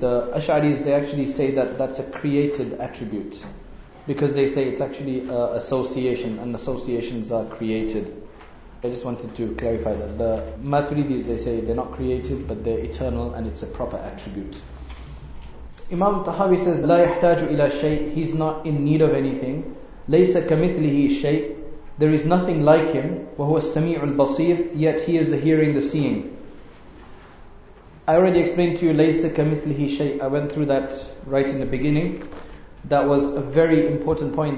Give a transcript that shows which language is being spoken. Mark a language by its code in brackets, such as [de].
[en] The Ash'aris, they actually say that that's a created attribute, because they say it's actually an association, and associations are created. I just wanted to clarify that. The Maturidis, they say they're not created, but they're eternal, and it's a proper attribute. Imam Tahawi says, [ar] لا يحتاج إلى شيء. [en] He's not in need of anything. [ar] ليس كمثله شيء. [en] There is nothing like him. [ar] وَهُوَ السَّمِيعُ الْبَصِيرُ. [en] Yet he is the hearing, the seeing. I already explained to you, [ar] لَيْسَ كَمِثْلِهِ شَيْءٍ. [en] I went through that right in the beginning. That was a very important point.